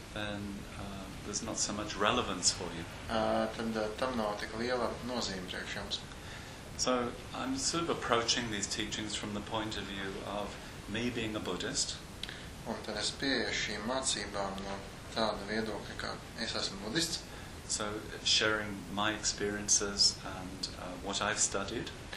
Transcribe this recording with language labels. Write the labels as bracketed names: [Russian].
[English] then there's not so much relevance for you. [Latvian] Tam nav tik liela nozīme priekš jums. [English] So I'm sort of approaching these teachings from the point of view of me being a Buddhist. [Latvian] Un tad es pieeju šīm mācībām no tāda viedokļa, ka es esmu budists. [English] So sharing my experiences and what I've studied.